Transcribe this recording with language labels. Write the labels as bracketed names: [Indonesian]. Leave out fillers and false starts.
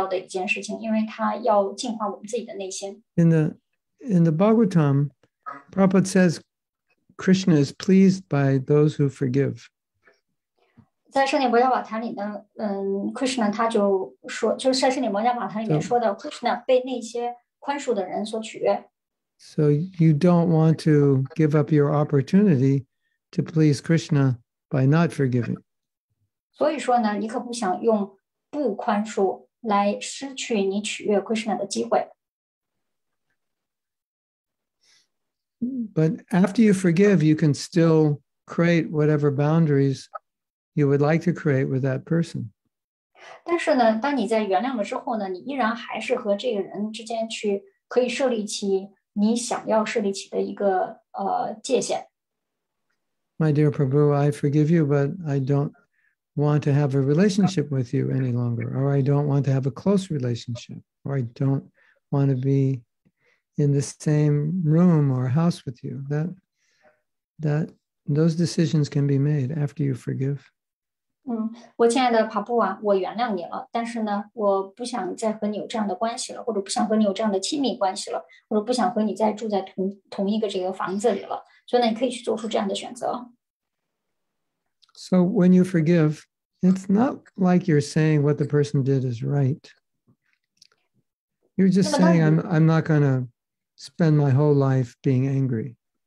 [Chinese] 那这个原谅呢是非常的有必要的一件事情，因为它要净化我们自己的内心。 [English] In the Bhagavatam, Prabhupada says Krishna is pleased by those who forgive. [Chinese] 在圣典摩亚瓦坛里呢，嗯，Krishna他就说，就是在圣典摩亚瓦坛里面说的， Krishna 被那些宽恕的人所取悦。 [English] So you don't want to give up your opportunity to please Krishna by not forgiving. [Chinese] 所以说呢，你可不想用不宽恕来失去你取悦 Krishna 的机会。 [English] But after you forgive, you can still create whatever boundaries you would like to create with that person. [Chinese] 但是呢，当你在原谅了之后呢，你依然还是和这个人之间去可以设立起你想要设立起的一个界限。 [English] My dear Prabhu, I forgive you, but I don't want to have a relationship with you any longer, or I don't want to have a close relationship, or I don't want to be in the same room or house with you. Those decisions can be made after you forgive. [Chinese] 我亲爱的帕布啊，我原谅你了，但是呢，我不想再和你有这样的关系了，或者不想和你有这样的亲密关系了，或者不想和你再住在同一个这个房子里了，所以呢，你可以去做出这样的选择。 [English] So when you forgive, it's not like you're saying what the person did is right. You're just saying I'm not going to spend my whole life being angry.